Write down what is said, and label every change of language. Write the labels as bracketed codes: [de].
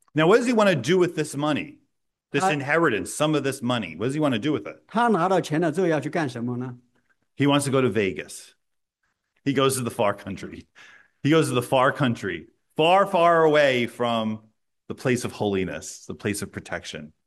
[en] Now, what does he want to do with this money? This inheritance, some of this money, what does he want to do with it? [zh] 他拿到钱了之后要去干什么呢? [en] He wants to go to Vegas. He goes to the far country. He goes to the far country, far, far away from the place of holiness, the place of protection.